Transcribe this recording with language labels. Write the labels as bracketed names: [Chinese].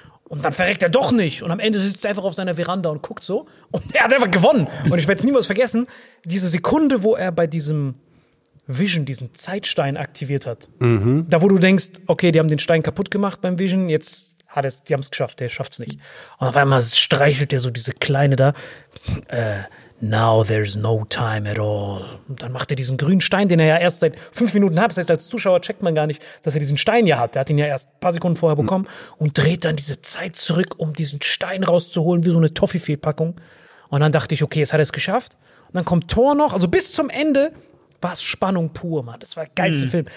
[German] Und dann verreckt er doch nicht. Und am Ende sitzt er einfach auf seiner Veranda und guckt so. Und er hat einfach gewonnen. Und ich werde niemals vergessen, diese Sekunde, wo er bei diesem Vision diesen Zeitstein aktiviert hat. Mhm. Da, wo du denkst, okay, die haben den Stein kaputt gemacht beim Vision, jetzt hat es, die haben es geschafft, der schafft es nicht. Und auf einmal streichelt er so diese Kleine da. [English] Now there's no time at all. [German] Und dann macht er diesen grünen Stein, den er ja erst seit 5 Minuten hat. Das heißt, als Zuschauer checkt man gar nicht, dass er diesen Stein ja hat. Der hat ihn ja erst ein paar Sekunden vorher bekommen und dreht dann diese Zeit zurück, um diesen Stein rauszuholen, wie so eine Toffifee-Packung. Und dann dachte ich, okay, jetzt hat er es geschafft. Und dann kommt Thor noch. Also bis zum Ende war es Spannung pur, Mann. Das war der geilste Film.